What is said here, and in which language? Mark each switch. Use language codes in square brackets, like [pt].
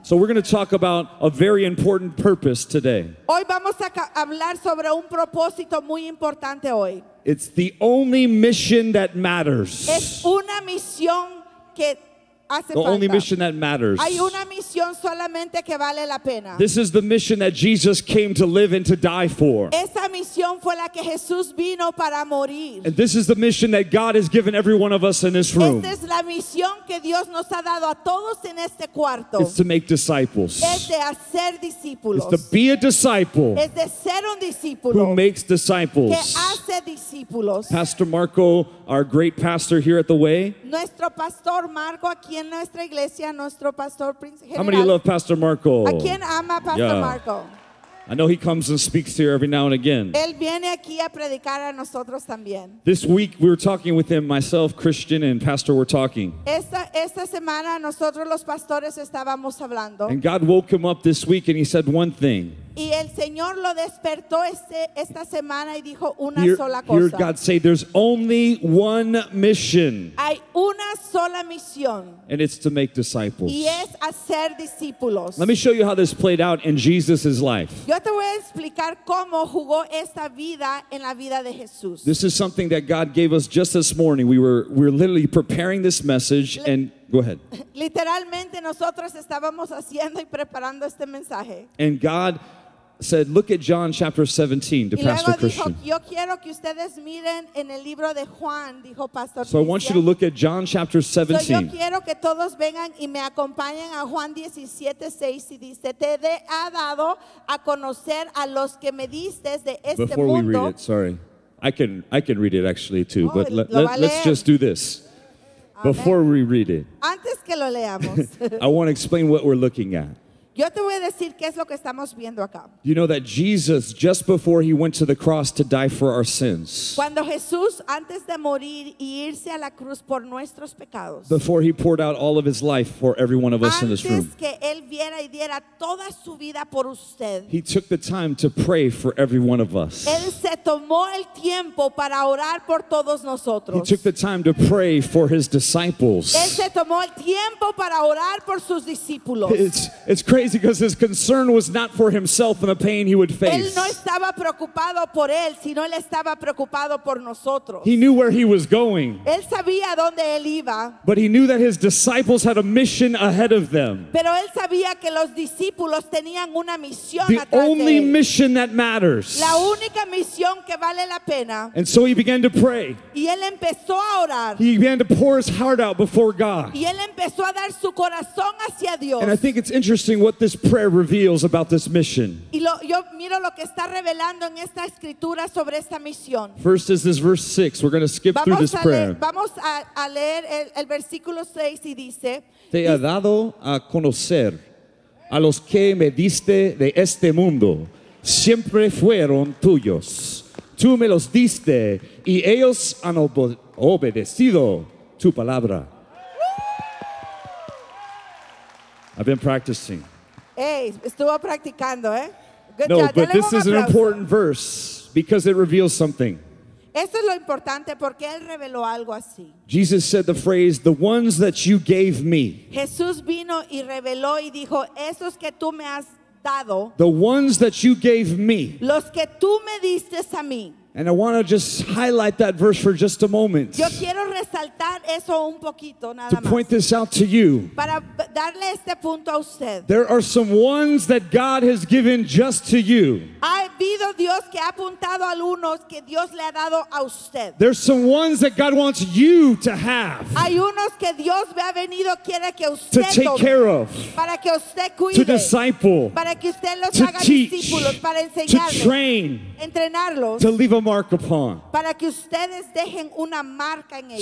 [en] So we're going to talk about a very important purpose today. [es] Hoy vamos a hablar sobre un propósito muy importante hoy. [en] It's the only mission that matters. [es] Es una misión que hace falta. [en] The only mission that matters. [es] Hay una misión solamente que vale la pena. [en] This is the mission that Jesus came to live and to die for. [es] Esa misión fue la que Jesús vino para morir. [en] And this is the mission that God has given every one of us in this room. [es] Esta es la misión que Dios nos ha dado a todos en este cuarto. [en] It's to make disciples. [es] Es de hacer discípulos. [en] It's to be a disciple. [es] Es de ser un discípulo. [en] Who makes disciples. [es] Que hace discípulos. [en] Pastor Marco, our great pastor here at the Way. [es] Nuestro pastor Marco aquí. En nuestra iglesia, nuestro pastor general. [en] How many love Pastor Marco? [es] ¿A quién ama Pastor Marco? [en] I know he comes and speaks here every now and again. [es] Él viene aquí a predicar a nosotros también. [en] This week we were talking with him, myself, Christian, and Pastor were talking. [es] Esta semana nosotros los pastores estábamos hablando. [en] And God woke him up this week and he said one thing. [es] Y el Señor lo despertó esta semana y dijo una sola cosa. [en] Heard God say, there's only one mission. [es] Hay una sola misión. [en] And it's to make disciples. [es] Y es hacer discípulos. [en] Let me show you how this played out in Jesus' life. [es] Yo te voy a explicar cómo jugó esta vida en la vida de Jesús. [en] This is something that God gave us just this morning. We were literally preparing this message and... Go ahead. [es] Literalmente nosotros estábamos haciendo y preparando este mensaje. [en] And God said, look at John chapter 17 to Pastor Christian. [es] Yo quiero que ustedes miren en el libro de Juan, dijo Pastor Christian. [en] So I want you to look at John chapter 17. [es] Yo quiero que todos vengan y me acompañen a Juan 17:6 y dice, te ha dado a conocer a los que me diste de este mundo. [en] Before we read it, sorry. I can read it actually too, but let's just do this. Before we read it, [es] antes que lo leamos, [en] I want to explain what we're looking at. [es] Yo te voy a decir qué es lo que estamos viendo acá. [en] You know that Jesus, just before he went to the cross to die for our sins, [es] cuando Jesús, antes de morir y irse a la cruz por nuestros pecados, [en] before he poured out all of his life for every one of us in this room, [es] antes que él viera y diera toda su vida por usted, [en] he took the time to pray for every one of us. [es] Él se tomó el tiempo para orar por todos nosotros. [en] He took the time to pray for his disciples. [es] Él se tomó el tiempo para orar por sus discípulos. [en] It's crazy because his concern was not for himself and the pain he would face. [es] Él no estaba preocupado por él, sino él estaba preocupado por nosotros. [en] He knew where he was going. [es] Él sabía dónde él iba. [en] But he knew that his disciples had a mission ahead of them. [es] Pero él sabía que los discípulos tenían una misión atrás de él. [en] The only mission that matters. [es] La única misión que vale la pena. [en] And so he began to pray. [es] Y él empezó a orar. [en] He began to pour his heart out before God. [es] Y él empezó a dar su corazón hacia Dios. [en] And I think it's interesting what this prayer reveals about this mission. [es] Yo miro lo que está revelando en esta escritura sobre esta misión. [en] First is this verse 6. We're going to skip [es] vamos [en] through this prayer. [es] Vamos a leer el versículo 6 y dice, te ha dado a conocer a los que me diste de este mundo. Siempre fueron tuyos. Tú me los diste y ellos han obedecido tu palabra. [en] I've been practicing. [es] Hey, estuvo practicando, eh? [en] Good no, job. But this is an important verse because it reveals something. [es] Esto es lo importante porque él reveló algo así. [en] Jesus said the phrase, the ones that you gave me. [es] Jesús vino y reveló y dijo, esos que tú me has dado. [en] The ones that you gave me. [es] Los que tú me diste a mí. [en] And I want to just highlight that verse for just a moment. [es] Yo quiero resaltar eso un poquito, nada más. [en] To point this out to you. [es] Para darle este punto a usted. [en] There are some ones that God has given just to you. [es] Ha habido Dios que ha apuntado algunos que Dios le ha dado a usted. [en] There's some ones that God wants you to have. [es] Hay unos que Dios me ha venido quiere que usted [en] to take care of. [es] Para que usted cuide. [en] To disciple. [es] Para que usted los [en] to [es] haga [en] teach. [es] Discípulos, para enseñarlos. [en] To train. [es] Entrenarlos. [en] To leave a mark upon. [es] Para que ustedes dejen una marca en ellos.